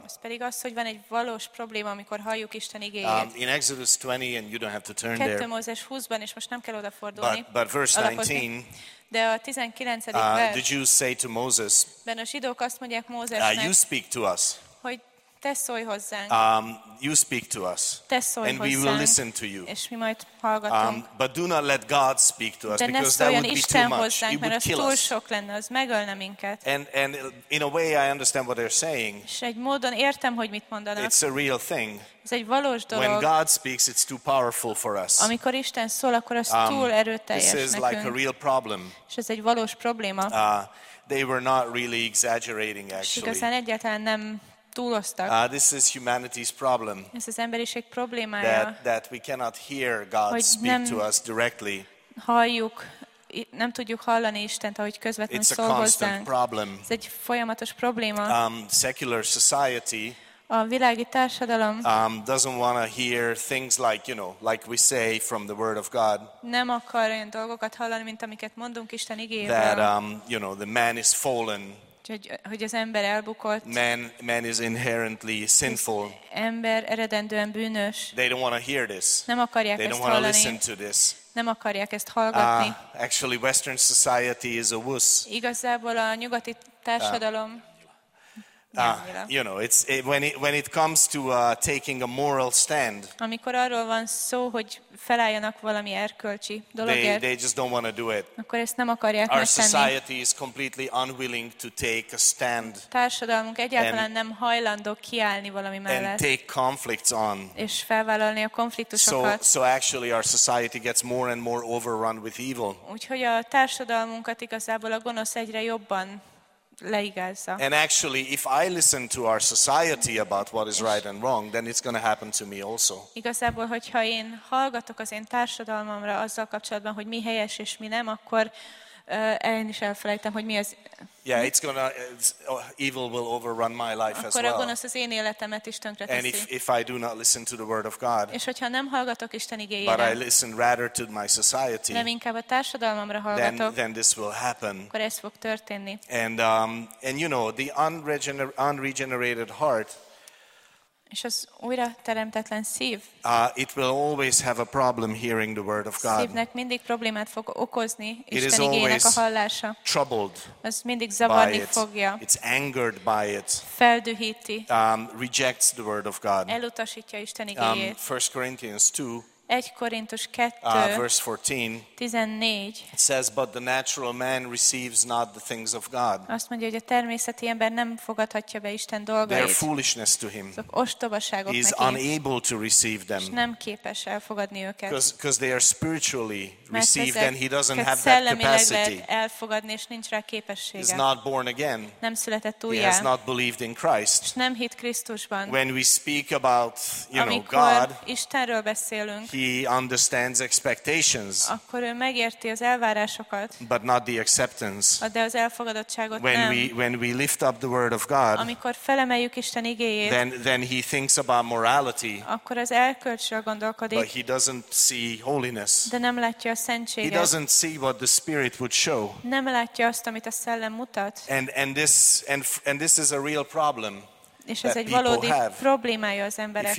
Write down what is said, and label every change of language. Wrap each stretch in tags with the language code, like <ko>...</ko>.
<hu>Ez pedig az, hogy van egy valós probléma, amikor halljuk Isten igéjét.</hu> <en>In Exodus 20, and you don't have to turn there.</en> <hu>Kettő Mózes 20-ban, és most nem kell odafordulni.</hu> <en>But verse 19.</en> <hu>De a 19.</hu> <en>The Jews say to Moses,</en> <hu>ben a zsidók azt mondják Mózesnek,</hu> <en>you speak to us.</en> <hu>Hogy te szólj hozzánk.</hu> <en>You speak to us.</en> <hu>Te szólj hozzánk.</hu> <en>And we will listen to you.</en> <hu>És mi majd hallgatunk.</hu> <en>But do not let God speak to us,</en> <hu>de</hu> <en>because that would</en> <hu>Isten</hu> <en>be too</en> <hu>hozzánk,</hu> <en>much.</en> <hu>Mert</hu> <en>would kill</en> <hu>túl sok lenne, az megölne minket.</hu> <en>And in a way I understand what they're saying.</en> <hu>És egy módon értem, hogy mit mondanak.</hu> <en>It's a real thing.</en> <hu>Ez egy valós dolog.</hu> <en>When God speaks, it's too powerful for us.</en> <hu>Amikor Isten szól, akkor az túl erőteljes nekünk.</hu> <en>This is like a real problem.</en> <hu>És ez egy valós probléma.</hu> <en>They were not really exaggerating, actually.</en> <hu>És igazán egyáltalán nem túloztak.</hu> <en>This is humanity's problem.</en> <hu>Ez az emberiség problémája.</hu> <en>That we cannot hear God speak to us directly.</en> <hu>Halljuk, nem tudjuk hallani Istent, ahogy közvetlenül szól hozzánk.</hu> <en>It's a constant problem.</en> <hu>Ez egy folyamatos probléma.</hu> <en>Secular society.</en> <hu>A világi társadalom</hu> <en>doesn't want to hear things like, you know, like we say from the word of God.</en> <hu>Nem akar olyan dolgokat hallani, mint amiket mondunk Isten igéjében.</hu> <en>That you know, the man is fallen.</en> <hu>Hogy az ember elbukott.</hu> <en>Man is inherently sinful.</en> <hu>Ember eredendően bűnös.</hu> <en>They don't want to hear this.</en> <hu>Nem akarják</hu> <en>they</en> <hu>ezt</hu> <en>don't</en> <hu>hallani.</hu> <en>Listen to this.</en> <hu>Nem akarják ezt hallgatni.</hu> <en>Actually, Western society is a wuss.</en> <hu>Igazából a nyugati társadalom.</hu> <en>You know, it's when it comes to taking a moral stand.</en> <hu>Amikor arról van szó, hogy felálljanak valami erkölcsi dologért.</hu> <en>They just don't want to do it.</en> <hu>Akkor ezt nem akarják megtenni.</hu> <en>Our society is completely unwilling to take a stand.</en> <hu>Társadalmunk egyáltalán nem hajlandó kiállni valami mellett.</hu> <en>And take conflicts on.</en> <hu>És felvállalni a konfliktusokat.</hu> <en>So actually our society gets more and more overrun with evil.</en> <hu>Úgyhogy a társadalmunkat igazából a gonosz egyre jobban leigázza.</hu> <en>And actually, if I listen to our society about what is right and wrong, then it's going to happen to me also.</en> <hu>Igazából, hogyha én hallgatok az én társadalmamra azzal kapcsolatban, hogy mi helyes és mi nem, akkor én is elfelejtem, hogy mi az.</hu> <en>Yeah, it's gonna evil will overrun my life</en> <hu>akkor</hu> <en>as well.</en> <hu>Akkor a gonosz az én életemet is tönkreteszi.</hu> <en>And if I do not listen to the word of God.</en> <hu>És hogyha nem hallgatok Isten igéjére.</hu> <en>But I listen rather to my society.</en> <hu>Nem inkább a társadalmamra hallgatok.</hu> <en>Then this will happen.</en> <hu>Akkor ez fog történni.</hu> <en>And you know, the unregenerated heart.</en> <hu>És az újra teremtetlen szív.</hu> <en>It will always have a problem hearing the word of God.</en> <hu>Szívnek mindig problémát fog okozni Isten igéjének a hallása.</hu> <en>Troubled.</en> <hu>Az mindig zavarni fogja.</hu> <en>It's angered by it.</en> <hu>Feldühíti.</hu> <en>Rejects the word of God.</en> <hu>Elutasítja Isten igéjét.</hu> <en>1 Corinthians 2.</en> <hu>1 Korintus 2.</hu> <en>Verse 14.</en> <hu>14.</hu> <en>It says, but the natural man receives not the things of God.</en> <hu>Azt mondja, hogy a természeti ember nem fogadhatja be Isten dolgait.</hu> <en>They are foolishness to him.</en> <hu>Azok ostobaságok neki.</hu> <en>He is unable to receive them.</en> <hu>És nem képes elfogadni őket.</hu> <en>Because they are spiritually received,</en> <hu>ezek,</hu> <en>and he doesn't have that capacity.</en> <hu>Lehet elfogadni, és nincs rá képessége.</hu> <en>He is not born again.</en> <hu>Nem született újjá.</hu> <en>He has not believed in Christ.</en> <hu>És nem hitt Krisztusban.</hu> <en>When we speak about, you</en> <hu>amikor</hu> <en>know, God.</en> <hu>Amikor Istenről beszélünk.</hu> <en>He understands expectations.</en> <hu>Akkor ő megérti az elvárásokat.</hu> <en>But not the acceptance.</en> <hu>De az elfogadottságot</hu> <en>when</en> <hu>nem.</hu> <en>When we lift up the word of God.</en> <hu>Amikor felemeljük Isten igéjét.</hu> <en>Then he thinks about morality.</en> <hu>Akkor az erkölcsről gondolkodik.</hu> <en>But he doesn't see holiness.</en> <hu>De nem látja a szentséget.</hu> <en>He doesn't see what the Spirit would show.</en> <hu>Nem látja azt, amit a szellem mutat.</hu> <en>And this is a real problem.</en> <hu>És ez egy valódi problémája az embereknek.</hu>